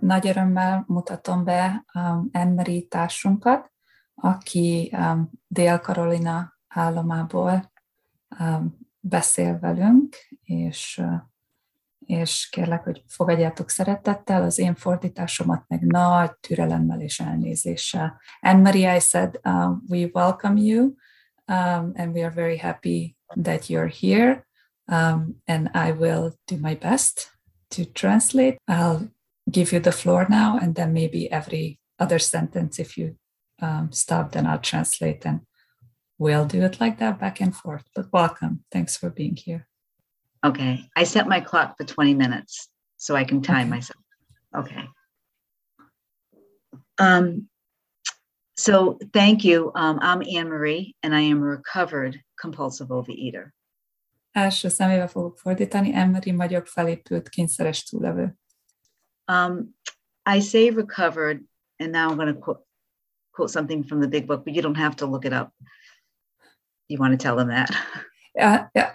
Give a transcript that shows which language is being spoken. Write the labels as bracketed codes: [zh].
[hu] nagy örömmel mutatom be Emery társunkat, aki Dél-Karolina államából beszél velünk, és kérlek, hogy fogadjátok szeretettel az én fordításomat, meg nagy türelemmel és elnézéssel. [en] Emery, I said, we welcome you, and we are very happy that you're here, and I will do my best to translate. I'll give you the floor now, and then maybe every other sentence, if you stop, then I'll translate, and we'll do it like that, back and forth. But welcome. Thanks for being here. Okay. I set my clock for 20 minutes, so I can time myself. Okay. So thank you. I'm Anne-Marie, and I am a recovered compulsive overeater. [hu] Első szemébe fogok fordítani, Emery magyar felépült kényszeres túllevő. [en] I say recovered, and now I'm going to quote something from the big book, but you don't have to look it up. You want to tell them that.